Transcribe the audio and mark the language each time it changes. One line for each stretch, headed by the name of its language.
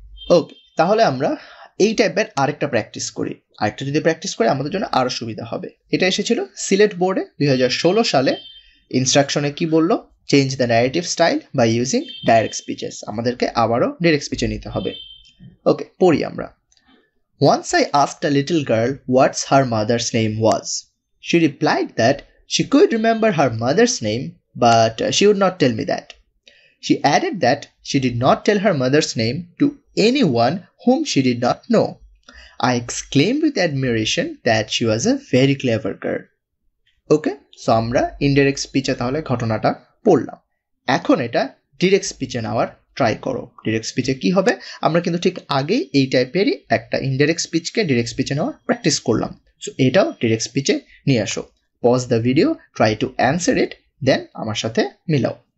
Bangla: ওকে তাহলে আমরা এই টাইপের আরেকটা প্র্যাকটিস করি আরেকটা যদি প্র্যাকটিস করি আমাদের জন্য আরও সুবিধা হবে এটা এসেছিল সিলেট বোর্ডে 2016 সালে ইনস্ট্রাকশনে কি বললো change the narrative style by using direct speeches আমাদেরকে আবারও ডাইরেক্ট স্পিচে নিতে হবে ওকে পড়ি আমরা Once I asked a little girl what her mother's name was.
English: She replied that she could remember her mother's name, but she would not tell me that. She added that she did not tell her mother's name to anyone whom she did not know. I exclaimed with admiration that she was a very clever girl.
Bangla: Okay, so amra indirect speech tahole ghotonata bollam. Ekhon eta direct speech e nawar try করো direct স্পিচে কি হবে আমরা কিন্তু ঠিক আগেই এই টাইপেরই একটা ইনডাইরেক্ট স্পিচকে ডিরেক্ট স্পিচে নেওয়ার প্র্যাকটিস করলাম সো এটাও ডিরেক্ট স্পিচে নিয়ে আসো pause the video try to answer it দেন আমার সাথে মিলাও